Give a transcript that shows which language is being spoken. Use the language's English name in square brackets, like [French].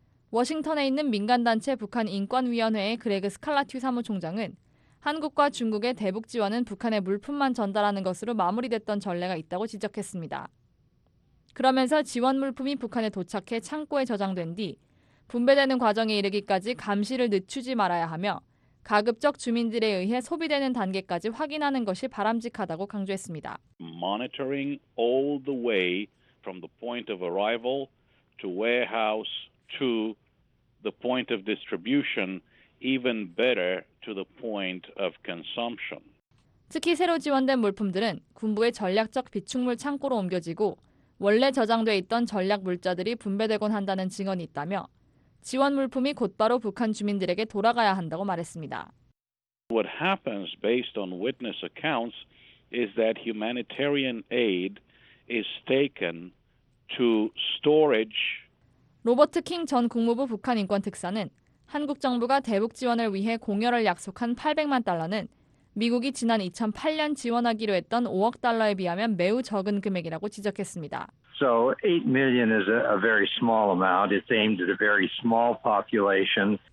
[Korean] 워싱턴에 있는 민간단체 북한인권위원회의 그레그 스칼라튜 사무총장은 한국과 중국의 대북 지원은 북한의 물품만 전달하는 것으로 마무리됐던 전례가 있다고 지적했습니다. 그러면서 지원 물품이 북한에 도착해 창고에 저장된 뒤 분배되는 과정에 이르기까지 감시를 늦추지 말아야 하며 가급적 주민들에 의해 소비되는 단계까지 확인하는 것이 바람직하다고 강조했습니다. [English] Monitoring all the way from the point of arrival to warehouse to the point of distribution, even better to the point of consumption. [Korean] 특히 새로 지원된 물품들은 군부의 전략적 비축물 창고로 옮겨지고 원래 저장돼 있던 전략 물자들이 분배되곤 한다는 증언이 있다며 지원 물품이 곧바로 북한 주민들에게 돌아가야 한다고 말했습니다. [English] What happens based on witness accounts is that humanitarian aid is taken to storage. [Korean] 로버트 킹 전 국무부 북한 인권 특사는 한국 정부가 대북 지원을 위해 공여를 약속한 800만 달러는 미국이 지난 2008년 지원하기로 했던 5억 달러에 비하면 매우 적은 금액이라고 지적했습니다. [English] So 8 million is a very small amount. It's aimed at a very small population.